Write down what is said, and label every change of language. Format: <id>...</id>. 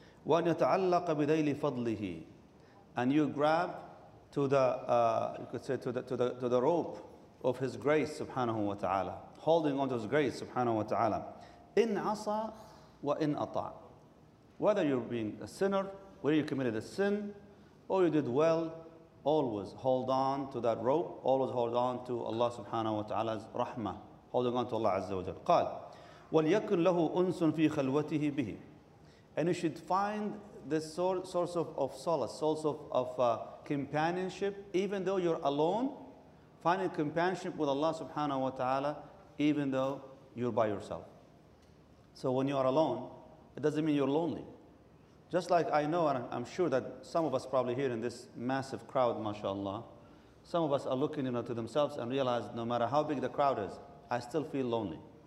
<ar>Wa yata'allaq bi dayli fadlihi,</ar> <en>and you grab to the rope of his grace subhanahu wa ta'ala, holding on to his grace subhanahu wa ta'ala.</en> <ar>In asa wa in ata',</ar> <en>whether you're being a sinner, whether you committed a sin or you did well, always hold on to that rope, always hold on to Allah subhanahu wa ta'ala's rahmah, holding on to Allah azza wa jal.</en> <ar>Qal, وَلْيَكُنْ لَهُ أُنْسٌ فِي خَلْوَتِهِ بِهِ.</ar> <en>And you should find this source of solace, source of companionship, even though you're alone, finding companionship with Allah subhanahu wa ta'ala, even though you're by yourself. So when you are alone, it doesn't mean you're lonely. Just like I know, and I'm sure that some of us probably here in this massive crowd, mashallah, some of us are looking, you know, to themselves and realize no matter how big the crowd is, I still feel lonely.</en>